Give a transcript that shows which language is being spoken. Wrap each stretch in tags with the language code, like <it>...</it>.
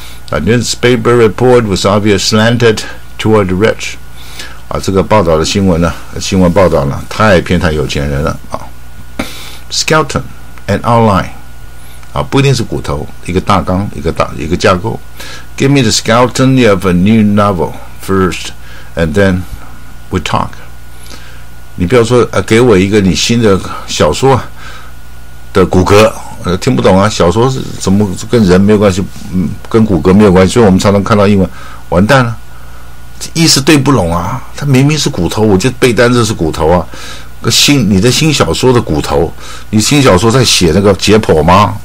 <en>啊 ，newspaper report was obviously slanted toward the rich。</en> <zh>啊，这个报道的新闻呢，新闻报道呢太偏袒有钱人了啊。</zh> <en>Skeleton and outline。</en> <zh>啊，不一定是骨头，一个大纲，一个架构。</zh> <en>Give me the skeleton of a new novel first, and then we talk。</en> <zh>你不要说啊，给我一个你新的小说的骨骼，听不懂啊。小说是怎么跟人没有关系，跟骨骼没有关系。所以我们常常看到英文，完蛋了，意思对不拢啊。它明明是骨头，我就背单词是骨头啊。你的新小说的骨头，你新小说在写那个解剖吗？</zh>